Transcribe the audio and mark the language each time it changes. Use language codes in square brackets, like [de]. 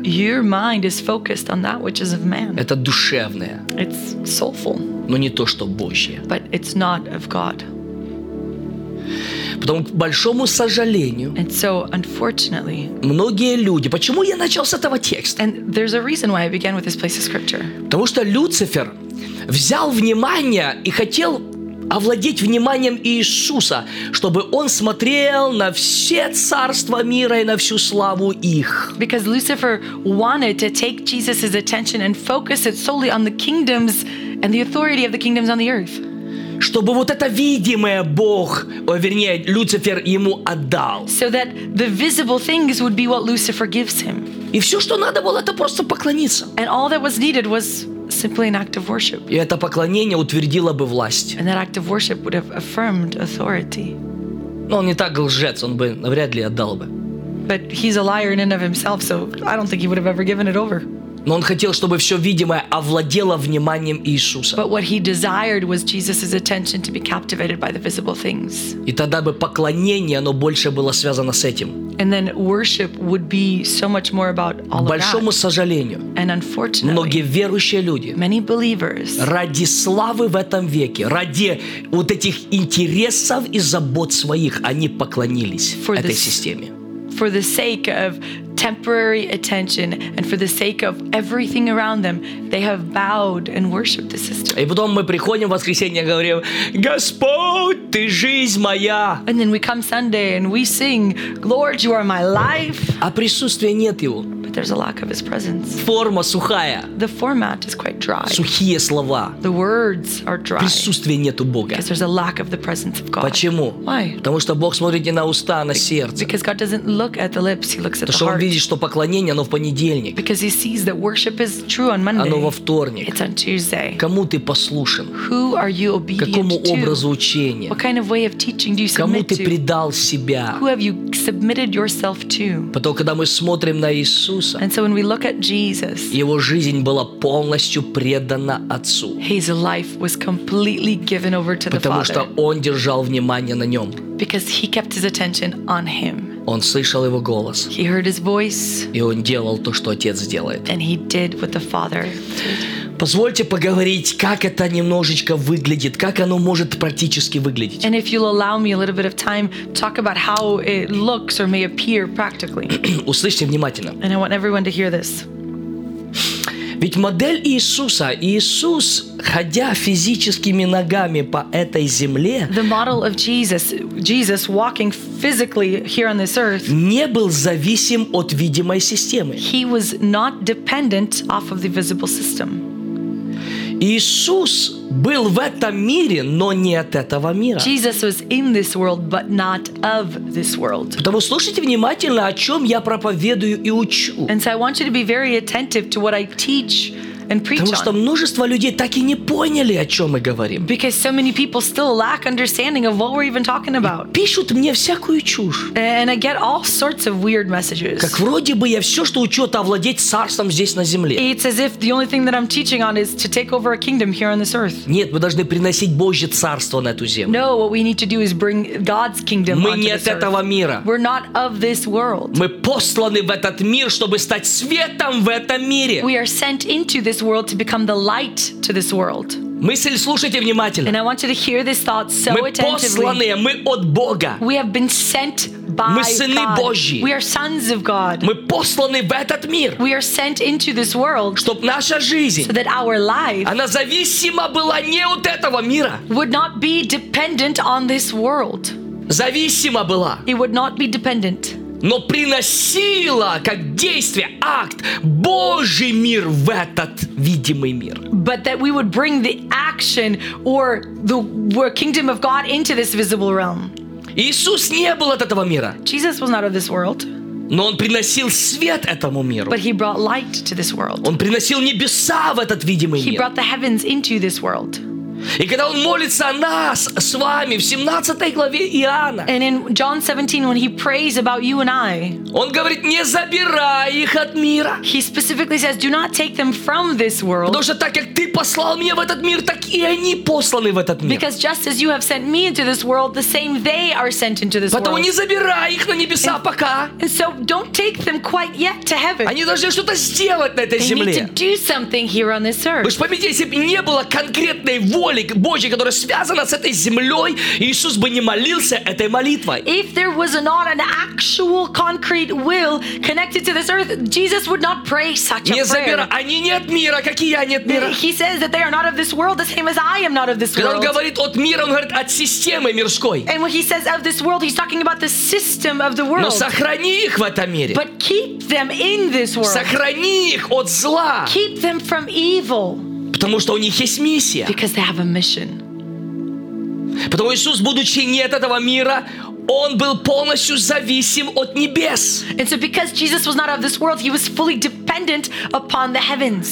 [en] Your mind is focused on that which is of man. [ru] Это душевное. [en] It's soulful. [ru] Но не то, что Божье. [en] But it's not of God. [ru] Потому, к большому сожалению, [en] and so, unfortunately, [ru] многие люди... Почему я начал с этого текста? [en] And there's a reason why I began with this place of scripture. [ru] Потому что Люцифер взял внимание и хотел овладеть вниманием Иисуса, чтобы он смотрел на все царства мира и на всю славу их. [en] Because Lucifer wanted to take Jesus' attention and focus it solely on the kingdoms and the authority of the kingdoms on the earth. [ru] Чтобы вот это видимое Бог, вернее, Люцифер ему отдал. [en] So that the visible things would be what Lucifer gives him. [ru] И все, что надо было, это просто поклониться. [en] And all that was needed was simply an act of worship. [ru] И это поклонение утвердило бы власть. [en] And that act of worship would have affirmed authority. [ru] Но он не так лжец, он бы навряд ли отдал бы. [en] But he's a liar in and of himself, so I don't think he would have ever given it over. [ru] Но он хотел, чтобы все видимое овладело вниманием Иисуса. [en] But what he desired was Jesus's attention to be captivated by the visible things. [ru] И тогда бы поклонение, оно больше было связано с этим. [en] And then worship would be so much more about all of that. [ru] К большому сожалению, [en] and unfortunately, [ru] многие верующие люди, [en] many believers, [ru] ради славы в этом веке, ради вот этих интересов и забот своих, они поклонились этой системе. [en] For the sake of temporary attention and for the sake of everything around them, they have bowed and worshipped the system. [ru] И потом мы приходим в воскресенье и говорим: «Господь, ты жизнь моя!» [en] And then we come Sunday and we sing, «Lord, you are my life!» [ru] А присутствия нет его. [en] there's a lack of His presence. [ru] Форма сухая. [en] The format is quite dry. [ru] Сухие слова. [en] The words are dry. [ru] Присутствия нету Бога. [en] Because there's a lack of the presence of God. [ru] Почему? [en] Why? [ru] Потому что Бог смотрит не на уста, а на сердце. [en] Because God doesn't look at the lips, He looks at the [ru] Потому что Он видит, что поклонение, оно в понедельник. [en] Because He sees that worship is true on Monday. [ru] Оно во вторник. [en] It's on Tuesday. [ru] Кому ты послушен? [en] Who are you obedient to? [ru] Какому образу учения? [en] What kind of way of teaching do you submit to? [ru] Кому ты [en] to? [ru] Предал себя? [en] Who have you submitted yourself to? [ru] Потом, когда мы смотрим на Иисуса, [en] and so when we look at Jesus, [ru] Его жизнь была полностью предана Отцу. [en] His life was completely given over to the Father. [ru] Потому что Он держал внимание на Нем. [en] Because He kept His attention on Him. [ru] Он слышал Его голос. [en] He heard His voice. [ru] И Он делал то, что Отец делает. [en] And He did what the Father did. [ru] Позвольте поговорить, как это немножечко выглядит, как оно может практически выглядеть. [en] And if you'll allow me a little bit of time, talk about how it looks or may appear practically. [ru] Услышьте внимательно. [en] And I want everyone to hear this. [ru] Ведь модель Иисуса, Иисус, ходя физическими ногами по этой земле, [en] the model of Jesus, Jesus walking physically here on this earth, [ru] не был зависим от видимой системы. [en] He was not dependent off of the visible system. [ru] Иисус был в этом мире, но не от этого мира. [en] Jesus was in this world, but not of this world. [ru] Потому слушайте внимательно, о чем я проповедую и учу. [en] And so I want you to be very attentive to what I teach and preach on. [ru] Потому что множество людей так и не поняли, о чем мы говорим. [en] Because so many people still lack understanding of what we're even talking about. [ru] И пишут мне всякую чушь. [en] And I get all sorts of weird messages. [ru] Как вроде бы я все, что учу, это овладеть царством здесь на земле. [en] It's as if the only thing that I'm teaching on is to take over a kingdom here on this earth. [ru] Нет, мы должны приносить Божье царство на эту землю. [en] No, what we need to do is bring God's kingdom onto this earth. [ru] Мы не от этого мира. [en] We're not of this world. [ru] Мы посланы в этот мир, чтобы стать светом в этом мире. [en] We are sent into this world to become the light to this world. [ru] Мысль слушайте внимательно. [en] And I want you to hear this thought so attentively. [ru] Мы посланы, мы от Бога. [en] We have been sent by God. [ru] Мы сыны Божьи. [en] We are sons of God. [ru] Мы посланы в этот мир. [en] We are sent into this world. [ru] Чтоб наша жизнь, [en] so that our life, [ru] она зависима была не от этого мира. [en] Would not be dependent on this world. [ru] Зависима была. [en] It would not be dependent. [ru] Но приносила как действие, акт, Божий мир в этот видимый мир. [en] But that we would bring the action or the kingdom of God into this visible realm. [ru] Иисус не был от этого мира. [en] Jesus was not of this world. [ru] Но Он приносил свет этому миру. [en] But He brought light to this world. [ru] Он приносил небеса в этот видимый мир. [en] He brought the heavens into this world. [ru] И когда Он молится о нас с вами в 17 главе Иоанна, [en] and in John 17, when He prays about you and I, [ru] Он говорит, не забирай их от мира. [en] He specifically says, do not take them from this world. [ru] Потому что так, как ты послал меня в этот мир, так и они посланы в этот мир. [en] Because just as you have sent me into this world, the same they are sent into this [ru] Потому [en] world. [ru] Не забирай их на небеса [en] and, [ru] пока. [en] And so don't take them quite yet to heaven. [ru] Они должны что-то сделать на этой [en] they [ru] земле. [en] Need to do something here on this earth. [ru] Вы же помните, если бы не было конкретной воли, Божий, которая связана с этой землей, Иисус бы не молился этой молитвой. [en] If there was not an actual concrete will connected to this earth, Jesus would not pray such a prayer. [ru] Они не от мира, как и я не от мира. [en] He says that they are not of this world, the same as I am not of this world. [ru] Когда он говорит от мира, он говорит от системы мирской. [en] And when he says of this world, he's talking about the system of the world. [ru] Но сохрани их в этом мире. [en] But keep them in this world. [ru] Сохрани их от зла. [en] Keep them from evil. [ru] Потому что у них есть миссия. [en] Because they have a mission. [ru] Потому Иисус, будучи не от этого мира, Он был полностью зависим от небес. [en] And so because Jesus was not of this world, He was fully dependent upon the heavens.